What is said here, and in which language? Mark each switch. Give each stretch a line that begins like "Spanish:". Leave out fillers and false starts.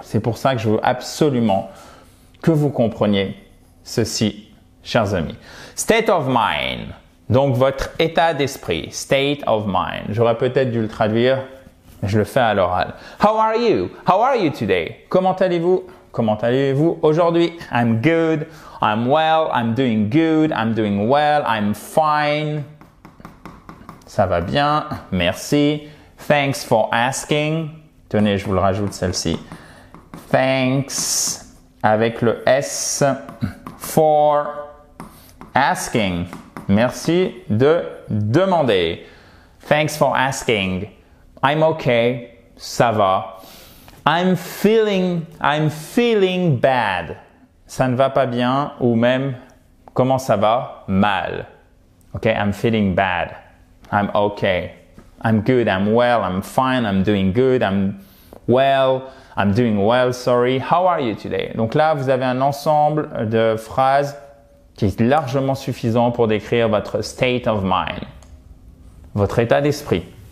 French: C'est pour ça que je veux absolument que vous compreniez ceci. Chers amis,
English: state of mind,
French: donc votre état d'esprit, state of mind. J'aurais peut-être dû le traduire, mais je le fais à l'oral.
English: How are you? How are you today?
French: Comment allez-vous aujourd'hui?
English: I'm good, I'm well, I'm doing good, I'm doing well, I'm fine.
French: Ça va bien, merci.
English: Thanks for asking.
French: Tenez, je vous le rajoute celle-ci.
English: Thanks,
French: avec le S,
English: for asking,
French: merci de demander.
English: Thanks for asking. I'm okay,
French: ça va.
English: I'm feeling bad.
French: Ça ne va pas bien ou même comment ça va? Mal.
English: Okay, I'm feeling bad. I'm okay. I'm good, I'm well, I'm fine, I'm doing good, I'm doing well, sorry. How are you today?
French: Donc là, vous avez un ensemble de phrases qui est largement suffisant pour décrire votre
English: state of mind,
French: votre état d'esprit.